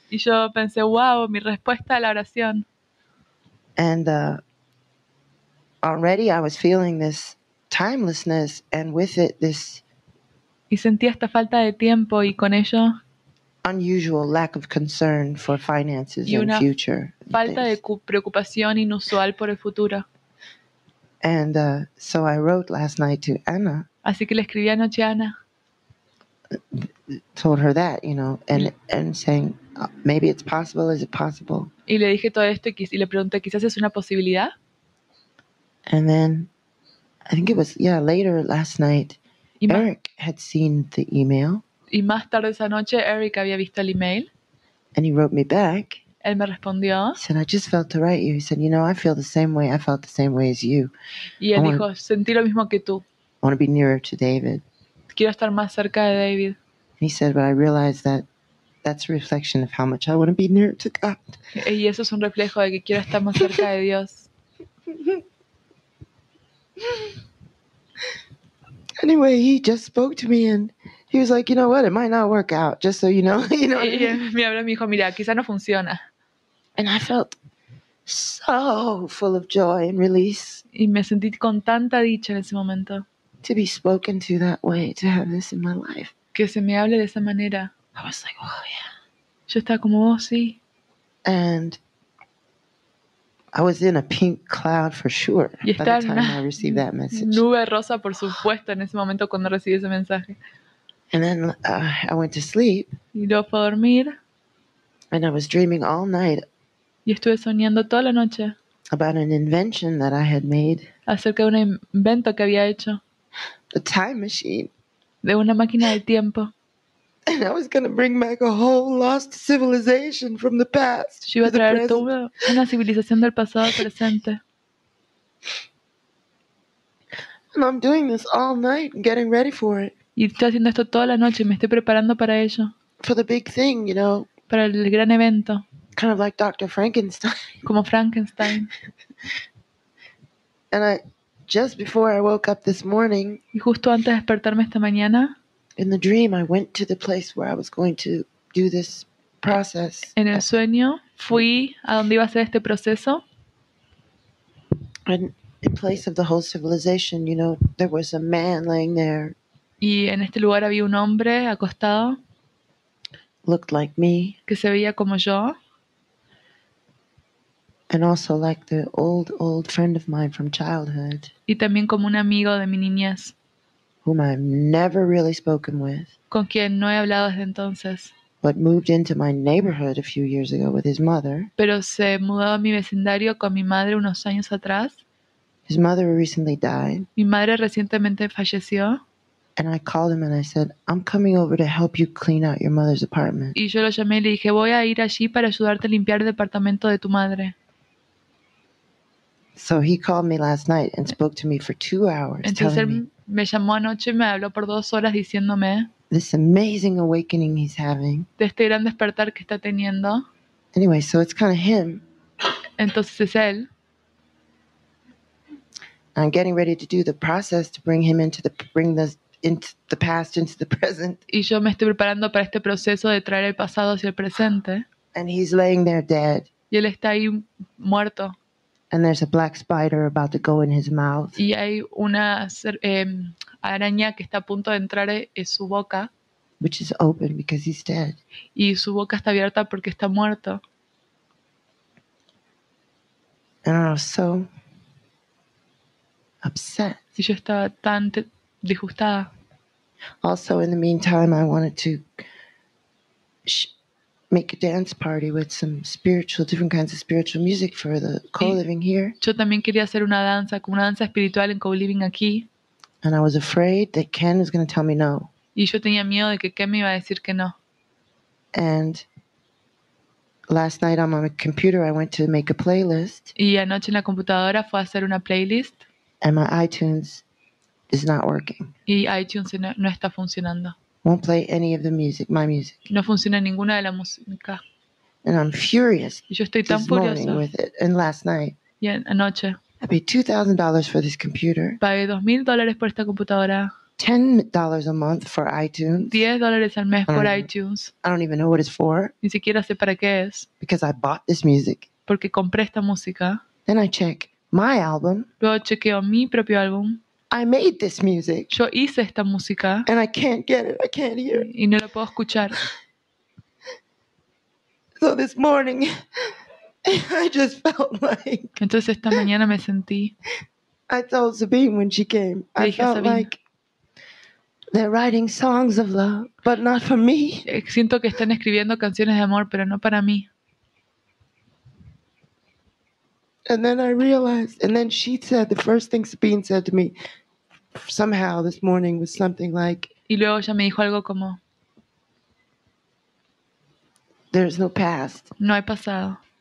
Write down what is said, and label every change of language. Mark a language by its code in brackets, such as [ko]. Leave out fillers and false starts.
[es] Y yo pensé, wow, mi respuesta a la oración. [en] And, already I was feeling this timelessness and with it this [es] y sentía esta falta de tiempo y con ello [en] unusual lack of concern for finances [es] y una [en] and future [es] falta de preocupación inusual por el futuro. [en] And so I wrote last night to Anna. [es] Así que le escribí anoche a Ana. [en] Told her that, you know, and saying maybe it's possible, is it possible? [es] Y le dije todo esto y le pregunté, ¿quizás es una posibilidad? [en] And then, I think it was, yeah, later last night, Eric had seen the email. [es] Y más tarde esa noche, Eric había visto el email. [en] And he wrote me back. [es] Él me respondió. [en] Said, I just felt to write you. He said, you know, I feel the same way. I felt the same way as you. [es] Y él dijo, sentí lo mismo que tú. [en] I want to be nearer to David. [es] Quiero estar más cerca de David. [en] He said, but I realized that that's a reflection of how much I want to be nearer to God. [es] Y eso es un reflejo de que quiero estar más cerca de Dios. [en] Anyway, he just spoke to me and he was like, you know what, it might not work out, just so you know. You know what I mean? [es] Me habló y me dijo, mira, quizá no funciona. [en] And I felt so full of joy and release. [es] Y me sentí con tanta dicha en ese momento. [en] To be spoken to that way, to have this in my life. [es] Que se me hable de esa manera. [en] I was like, oh yeah. [es] Yo estaba como, oh sí. [en] And I was in a pink cloud for sure by the time I received that message. [es] Nube rosa, por supuesto, en ese momento cuando recibí ese mensaje. [en] And then I went to sleep. [es] Y luego fui a dormir. [en] And I was dreaming all night. [es] Y estuve soñando toda la noche. [en] About an invention that I had made. [es] Acerca de un invento que había hecho. [en] A time machine. [es] De una máquina del tiempo. [en] And I was going to bring back a whole lost civilization from the past. [es] Yo iba a traer toda una civilización del pasado al presente. [en] And I'm doing this all night and getting ready for it. [es] Y estoy haciendo esto toda la noche y me estoy preparando para ello. [en] For the big thing, you know. [es] Para el gran evento. [en] Kind of like Dr. Frankenstein. [es] Como Frankenstein. [en] And I just before I woke up this morning. [es] Y justo antes de despertarme esta mañana. [en] In the dream, I went to the place where I was going to do this process. [es] En el sueño, fui a donde iba a hacer este proceso. [en] And in place of the whole civilization, you know, there was a man laying there. [es] Y en este lugar había un hombre acostado. [en] Looked like me. [es] Que se veía como yo. [en] And also like the old friend of mine from childhood. [es] Y también como un amigo de mi niñez. [en] Whom I've never really spoken with. [es] Con quien no he hablado desde entonces. [en] But moved into my neighborhood a few years ago with his mother. [es] Pero se mudó a mi vecindario con mi madre unos años atrás. [en] His mother recently died. [es] Mi madre recientemente falleció. [en] And I called him and I said, I'm coming over to help you clean out your mother's apartment. [es] Y yo lo llamé y le dije, voy a ir allí para ayudarte a limpiar el departamento de tu madre. [en] So he called me last night and spoke to me for 2 hours. [es] Entonces, [en] telling me. [es] Me llamó anoche y me habló por 2 horas diciéndome [en] this amazing awakening he's having. [es] De este gran despertar que está teniendo. [en] Anyway, so it's kind of him. [es] Entonces es él. [en] I'm getting ready to do the process to bring him into the past, into the present. [es] Y yo me estoy preparando para este proceso de traer el pasado hacia el presente. [en] And he's laying there dead. [es] Y él está ahí muerto. [en] And there's a black spider about to go in his mouth. [es] Y hay una araña que está a punto de entrar en su boca. [en] Which is open because he's dead. [es] Y su boca está abierta porque está muerto. [en] And I was so upset. [es] Y yo estaba tan disgustada. [en] Also, in the meantime, I wanted to make a dance party with some spiritual, different kinds of spiritual music for the co-living here. [es] Yo también quería hacer una danza, como una danza espiritual en co-living aquí. [en] And I was afraid that Ken was going to tell me no. [es] Y yo tenía miedo de que Ken me iba a decir que no. [en] And last night on my computer, I went to make a playlist. [es] Y anoche en la computadora fue a hacer una playlist. [en] And my iTunes is not working. [es] Y iTunes no está funcionando. [en] Won't play any of the music, my music. [es] No funciona ninguna de la música. [en] And I'm furious. [es] Yo estoy tan furiosa. [en] This morning with it and last night. [es] Y anoche. [en] I paid $2,000 for this computer. [es] Pagué $2,000 por esta computadora. [en] $10 a month for iTunes. [es] $10 al mes por iTunes. [en] I don't even know what it's for. [es] Ni siquiera sé para qué es. [en] Because I bought this music. [es] Porque compré esta música. [en] Then I check my album. [es] Luego chequeo mi propio álbum. [en] I made this music. [es] Yo hice esta música. [en] And I can't get it. I can't hear it. [es] Y no lo puedo escuchar. [en] So this morning, I just felt like. [es] Entonces esta mañana me sentí. [en] I told Sabine when she came. [es] Le dije [en] I felt [es] a Sabine, [en] like They're writing songs of love, but not for me. [es] Siento que están escribiendo canciones de amor, pero no para mí. [en] And then I realized, and then she said, the first thing Sabine said to me, somehow this morning, was something like, [es] y luego ella me dijo algo como, [en] there's no past. [es] No hay pasado.